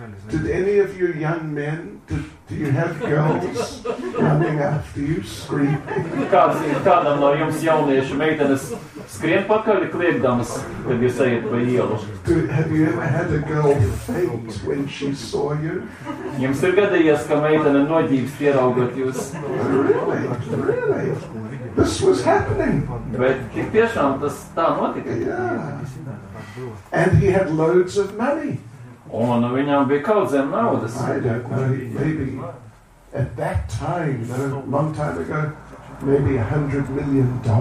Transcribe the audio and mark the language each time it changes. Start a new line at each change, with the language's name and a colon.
English: Did any of you young men, do you have girls running after you, screaming?
Latvian: Kādam no jums jauniešu meitenes skrien pakaļ kliedamas, kad jūs ejat pa ielu?
English: Have you ever had a girl faint when she saw you?
Latvian: Jums ir gadījies, ka meitene noģības ieraugot jūs?
English: Really? This was happening.
Latvian: Bet tik tiešām tas tā notika.
English: Yeah. And he had loads of money.
Latvian: Un viņam bija kaudzēm naudas.
English: I don't know, maybe at that time, a long time ago, maybe $100 million.